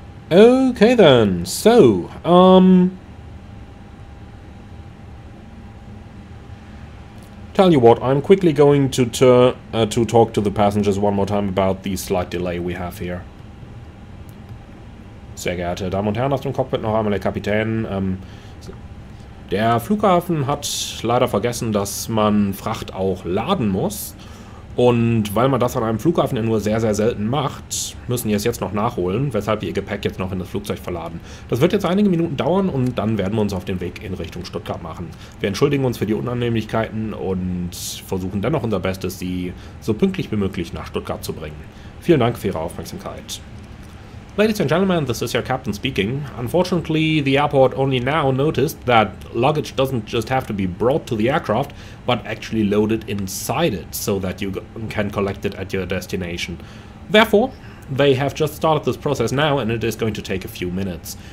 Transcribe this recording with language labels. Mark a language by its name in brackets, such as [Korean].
[English] Okay then. So, tell you what, I'm quickly going to talk to the passengers one more time about the slight delay we have here. [German] Sehr geehrte Damen und Herren aus dem Cockpit, noch einmal der Kapitän. Der Flughafen hat leider vergessen, dass man Fracht auch laden muss. Und weil man das an einem Flughafen ja nur sehr, sehr selten macht, müssen wir es jetzt noch nachholen, weshalb wir ihr Gepäck jetzt noch in das Flugzeug verladen. Das wird jetzt einige Minuten dauern und dann werden wir uns auf den Weg in Richtung Stuttgart machen. Wir entschuldigen uns für die Unannehmlichkeiten und versuchen dennoch unser Bestes, sie so pünktlich wie möglich nach Stuttgart zu bringen. Vielen Dank für Ihre Aufmerksamkeit. [English] Ladies and gentlemen, this is your captain speaking. Unfortunately, the airport only now noticed that luggage doesn't just have to be brought to the aircraft, but actually loaded inside it so that you can collect it at your destination. Therefore, they have just started this process now and it is going to take a few minutes.